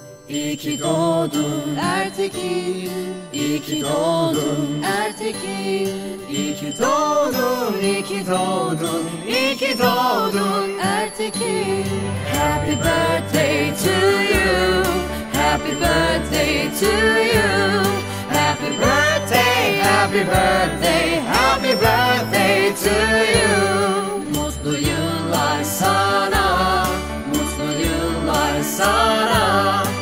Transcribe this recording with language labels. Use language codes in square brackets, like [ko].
[tr] İyi ki doğdun Ertekin, iyi ki doğdun Ertekin, iyi ki doğdun, iyi ki doğdun, iyi ki doğdun Ertekin. [en] Happy birthday to you, happy birthday to you, happy birthday, happy birthday, happy birthday to you. [tr] Mutlu yıllar sana, mutlu yıllar sana.